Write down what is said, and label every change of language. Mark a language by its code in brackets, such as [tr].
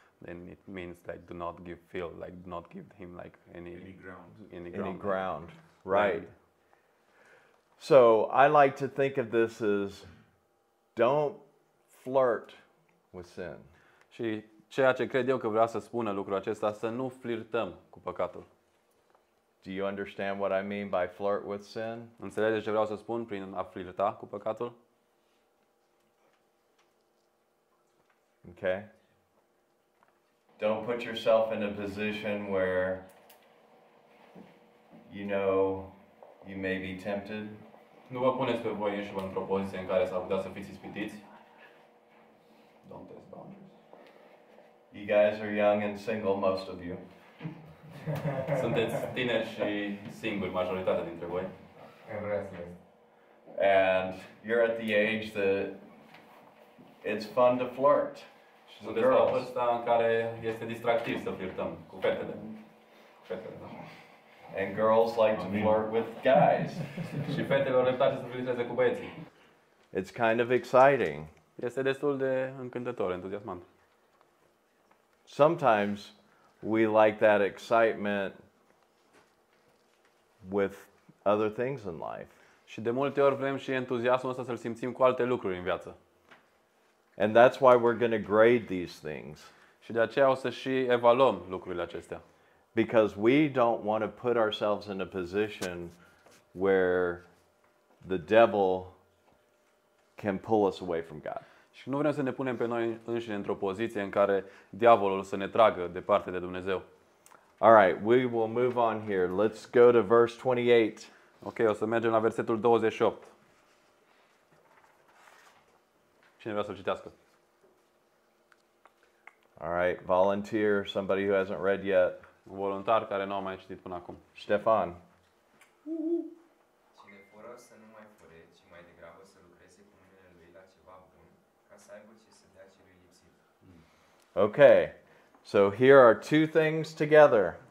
[en] Then it means like do not give field, like do not give him like any ground. Right. So I like to think of this as don't flirt with sin. [ro] Și ceea ce cred eu că vreau să spună lucrul acesta, să nu flirtăm cu păcatul. [en] Do you understand what I mean by flirt with sin? [ro] Înțelegeți ce vreau să spun prin a flirta cu păcatul? [en] Okay. Don't put yourself in a position where you know you may be tempted. [ro] Nu vă puneți pe voi înșivă într-o poziție în care s-ar putea să fiți ispitiți. [en] Don't test boundaries. You guys are young and single, most of you. [ro] Sunteți tineri și singuri, majoritatea dintre voi. [en] And you're at the age that it's fun to flirt. [ro] Și sunteți la vârsta în care este distractiv să flirtăm cu fetele. [en] And girls like to flirt with guys. [ro] Și fetelor le place să flirteze cu băieții. [en] It's kind of exciting. [ro] Este destul de încântător, entuziasmant. [en] Sometimes we like that excitement with other things in life. [ro] Și de multe ori vrem și entuziasmul ăsta să-l simțim cu alte lucruri în viață. [en] And that's why we're going to grade these things. [ro] Și de aceea o să și evaluăm lucrurile acestea. [en] Because we don't want to put ourselves in a position where the devil can pull us away from God. [ro] Și nu vrem să ne punem pe noi înșine într-o poziție în care diavolul să ne tragă departe de Dumnezeu. [en] All right, we will move on here. Let's go to verse 28. [ro] Okay, o să mergem la versetul 28. Cine vrea să-l citească? [en] All right, volunteer, somebody who hasn't read yet. [ro] Un voluntar care nu a mai citit până acum. Ștefan. Cine fără să nu mai fure, ci mai degrabă să lucreze cu mâinile lui la ceva bun, ca să aibă ce să dea celui lipsit. [en] Okay. So here are two things together.